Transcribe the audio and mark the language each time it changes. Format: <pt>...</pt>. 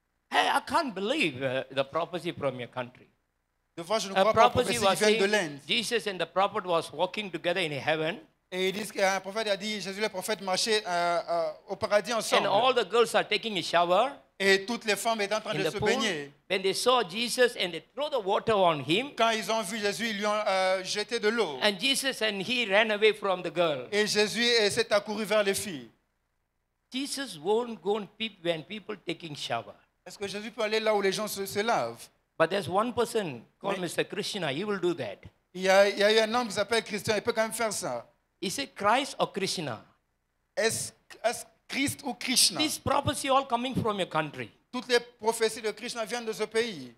<en>Hey, I can't believe the prophecy from your country.</en> <fr>De fois, je ne crois pas prophecy</fr> <en>was</en> <fr>qui vient de l'Inde.</fr> <en>Jesus and the prophet was walking together in heaven.</en> <fr>Et ils disent qu'un prophète a dit, Jésus le prophète marchait au paradis ensemble.</fr> <en>And all the girls are taking a shower.</en> <fr>Et toutes les femmes étaient en train</fr> <en>in</en> <fr>de</fr> <en>the</en> <fr>se</fr> <en>pool,</en> <fr>baigner.</fr> <en>When they saw Jesus and they throw the water on him.</en> <fr>Quand ils ont vu Jésus, ils lui ont jeté de l'eau.</fr> <en>And Jesus and he ran away from the girl.</en> <fr>Et Jésus s'est accouru vers les filles.</fr> <en>Jesus won't go and peep when people taking shower.</en> <fr>Est-ce que Jésus peut aller là où les gens se lavent?</fr> <en>But there's one person called Mr. Krishna. He will do that.</en> <fr>Il y a eu un homme qui s'appelle Christian. Il peut quand même faire ça.</fr> <en>Is it Christ or Krishna?</en> <fr>Est-ce Christ ou Krishna?</fr> <en>This prophecy all coming from your country.</en> <fr>Toutes les prophéties de Krishna viennent de ce pays.</fr>